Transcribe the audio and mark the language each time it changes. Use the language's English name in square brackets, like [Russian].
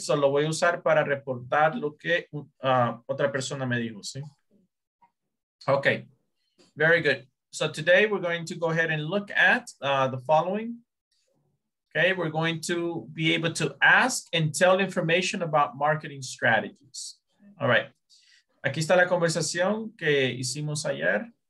[Spanish] So lo voy a usar para reportar lo que otra persona me dijo. [English] ¿Sí? Okay. Very good. So today we're going to go ahead and look at the following. Okay, we're going to be able to ask and tell information about marketing strategies. All right, [Spanish] aquí está la conversación que hicimos ayer.